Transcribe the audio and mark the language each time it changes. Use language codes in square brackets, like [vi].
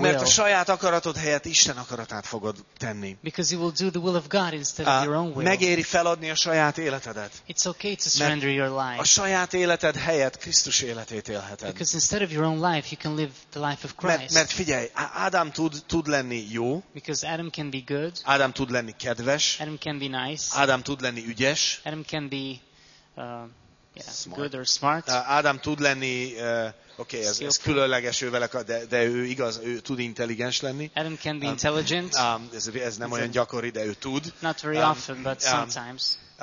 [hu] Mert a saját akaratod helyett Isten akaratát fogod tenni. [en] Because you will do the will of God instead of your own will. [hu] Megéri feladni a saját életedet. [en] It's okay to surrender your life. [hu] A saját életed helyett Krisztus életét élheted. [en] Because instead of your own life, you can live the life of Christ. [hu] Mert figyelj, Ádám tud lenni jó. [en] Because Adam can be good. [hu] Ádám tud lenni kedves. [en] Adam can be nice. [hu] Ádám tud lenni ügyes. [en] Adam can be good or smart. [hu] Adam tud lenni, okay, ez különleges, de ő igaz, ő tud intelligens lenni. [en] Adam can be intelligent. [hu] Ez nem olyan gyakori, de ő tud. [en] Not very often, but sometimes.